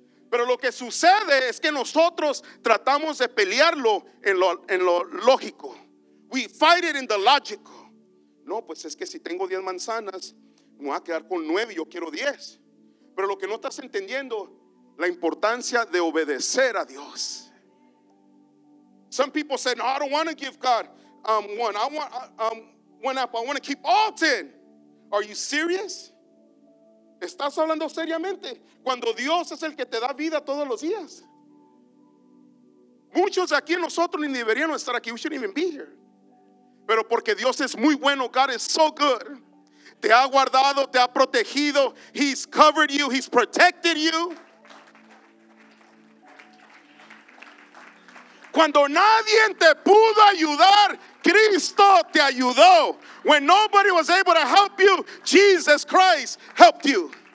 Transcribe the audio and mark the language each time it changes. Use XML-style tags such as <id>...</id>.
<es>Pero lo que sucede es que nosotros tratamos de pelearlo en lo lógico.</es> <en>We fight it in the logical.</en> <es>No, pues es que si tengo 10 manzanas, me voy a quedar con 9, yo quiero 10. Pero lo que no estás entendiendo, la importancia de obedecer a Dios.</es> <en>Some people say, no, I don't want to give God one. I want one apple. I want to keep all 10. Are you serious?</en> <es>¿Estás hablando seriamente? Cuando Dios es el que te da vida todos los días. Muchos de aquí, nosotros ni deberíamos estar aquí.</es> <en>We shouldn't even be here.</en> <es>Pero porque Dios es muy bueno,</es> <en>God is so good.</en> <es>Te ha guardado, te ha protegido.</es> <en>He's covered you, He's protected you.</en> <es>Cuando nadie te pudo ayudar, Cristo te ayudó.</es> <en>When nobody was able to help you, Jesus Christ helped you.</en>